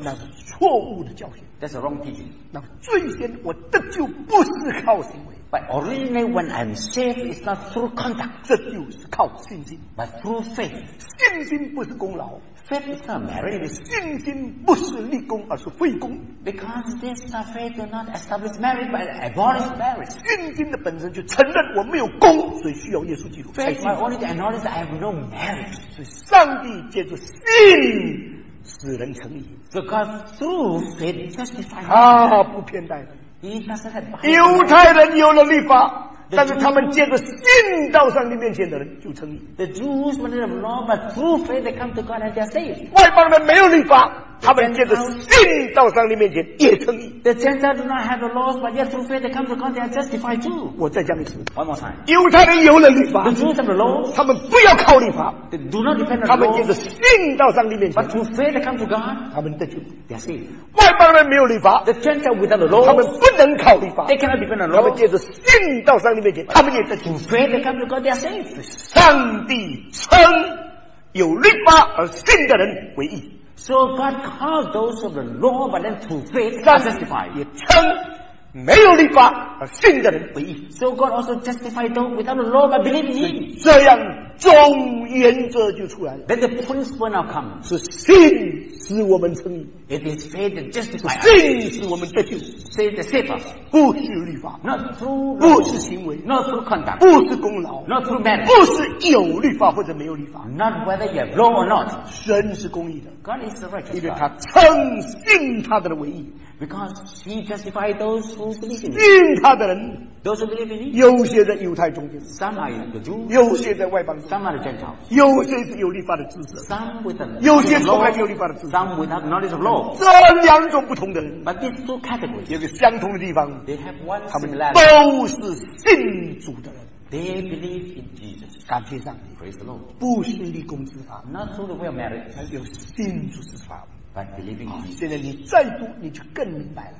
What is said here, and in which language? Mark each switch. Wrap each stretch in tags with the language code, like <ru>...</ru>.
<zh>那是错误的教训。</zh> <en>That's a wrong teaching.</en> <zh>那最先我得救不是靠行为。</zh> <en>But originally, when I'm saved, it's not through contact.</en> <zh>这就是靠信心。</zh> <en>But through faith.</en> <zh>信心不是功劳。</zh> <en>Faith is not merit.</en> <zh>信心不是立功，而是废功。</zh> <en>Because this faith does not establish merit, but abolish merit.</en> <zh>信心的本身就承认我没有功，所以需要耶稣基督。</zh> <en>Faith is only to acknowledge that I have no merit.</en> <zh>所以上帝借着信使人成义。</zh> <en>Because through faith, justified.</en> <zh>啊，不偏待的。</zh> <en>He doesn't have</en> <zh>犹太人有了律法，但是他们借着信到上帝面前的人就称义。</zh> <en>The Jews were not law, but through faith they come to God and they are saved.</en> <zh>外邦人没有律法，他们借着信到上帝面前也称义。</zh> <en>The Gentiles do not have the laws, but yet through faith they come to God and they are justified too.</en> <zh>我再讲一次</zh> <en>，one more time.</en> <zh>犹太人有了律法</zh> <en>，the Jews have the law,</en> <zh>他们不要靠律法</zh> <en>，they do not depend on the law.</en> <zh>他们借着信到上帝面前</zh> <en>，but through faith they come to God,</en> <zh>他们得救</zh> <en>，they are saved.</en> <zh>外邦人没有律法</zh> <en>，the Gentiles without the law，</en> <zh>他们不能靠律法</zh> <en>，they cannot depend on the</en> <zh>law。他们借着信到上帝面前，他们也得救。</zh> <en>Faith they come to God they are saved。</en> <zh>上帝称有律法而信的人为义</zh> <en>，so God calls those of the law but then through faith are justified。</en> <zh>也称没有律法而信的人为义</zh> <en>，so God also justified those without the law but believe in Him。</en> <zh>这样总原则就出来了。</zh> <en>Then the principle now comes。</en> <zh>是信使我们称义。</zh> <en>It is faith that justifies。</en> <zh>信使我们得救。</zh> <en>Say the safer。</en> <zh>不是律法。</zh> <en>Not through。</en> <zh>不是行为。</zh> <en>Not through conduct。</en> <zh>不是功劳。</zh> <en>Not through merit。</en> <zh>不是有律法或者没有律法。</zh> <en>Not whether you have law or not。</en> <zh>神是公义的。</zh> <en>God is the righteous。</en> <zh>因为他称信他的为义。</zh> <en>Because he justified those who believe in</en> <zh>him。 信他的人。</zh> <en>Those who believe in him。</en> <zh>有些在犹太中间。</zh> <en>Some are in the Jews。</en> <zh>有些在外邦。</zh> <en>Some are Gentiles.</en> <zh>有些是有律法的知识</zh> <en>，Some with the</en> <zh>有些从来没有律法的知识</zh> <en>，Some without knowledge of law.</en> <zh>这两种不同的人</zh> <en>，But these two categories</en> <zh>有个相同的地方</zh> <en>，They have one similarity.</en> <zh>他们都是信主的人</zh> <en>，They believe in Jesus.</en> <zh>感谢上帝</zh> <en>，Praise the Lord.</en> <zh>不是立功之法</zh> <en>，Not through the will of merit.</en> <zh>而有信主之法</zh> <en>，But believing in Jesus.</en> <zh>现在你再读，你就更明白了。</zh>